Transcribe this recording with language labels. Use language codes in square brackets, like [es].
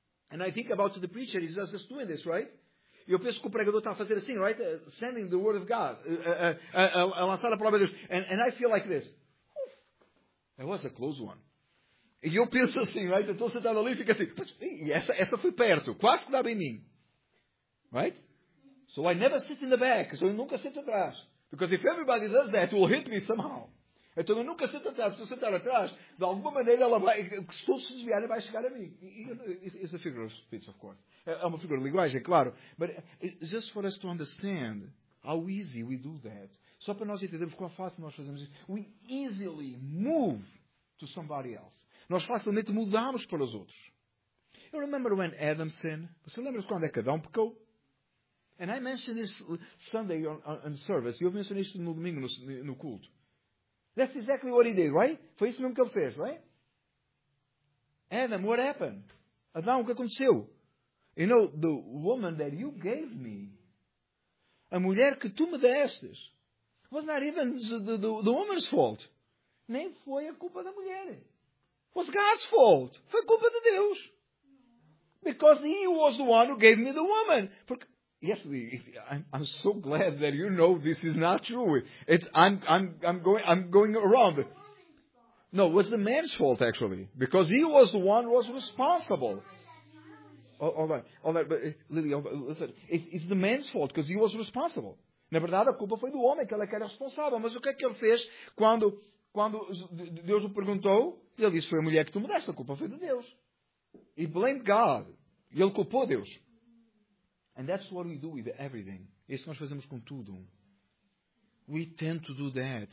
[en] And I think about the preacher, he's just doing this, right? [pt] Eu penso que o pregador está a fazer assim, right? [en] Sending the Word of God. [pt] Lançar a Palavra de Deus. [en] And I feel like this. That was a close one. [pt] E eu penso assim, right? Estou sentado ali e fico assim. E essa foi perto. Quase que dava em mim. Right? [en] So I never sit in the back. [pt] So eu nunca sento atrás. [en] Because if everybody does that, it will hit me somehow. [pt] Então eu nunca sento atrás. Se eu sentar atrás, de alguma maneira, ela vai, se for se desviar, ela vai chegar a mim. [en] It's a figure of speech, of course. [pt] É uma figura de linguagem, claro. [en] But just for us to understand how easy we do that. [pt] Só para nós entendermos quão fácil nós fazemos isso. [en] We easily move to somebody else. [pt] Nós facilmente mudamos para os outros. [en] Eu remember when Adam sinned. [pt] Você lembra-se quando é que Adão pecou? [en] And I mentioned this Sunday on service. Eu mencionei isto no domingo no culto. That's exactly what he did, right? [pt] Foi isso mesmo que ele fez, right? [en] Adam, what happened? [pt] Adão, o que aconteceu? [en] You know, the woman that you gave me, [pt] a mulher que tu me destes, [en] was not even the woman's fault. [pt] Nem foi a culpa da mulher. [en] Was God's fault. [pt] Foi culpa de Deus. [en] Because he was the one who gave me the woman. Porque, yes, I'm so glad that you know this is not true. I'm going around. No, it was the man's fault, actually. Because he was the one who was responsible. All right. But, Lily, listen. It's the man's fault because he was responsible. [pt] Na verdade, a culpa foi do homem, que ele era responsável. Mas o que é que ele fez quando Deus o perguntou? Ele disse, foi a mulher que tu me deste, a culpa foi de Deus. [en] He blamed God. [pt] Ele culpou Deus. [en] And that's what we do with everything. [pt] Isso nós fazemos com tudo. [en] We tend to do that.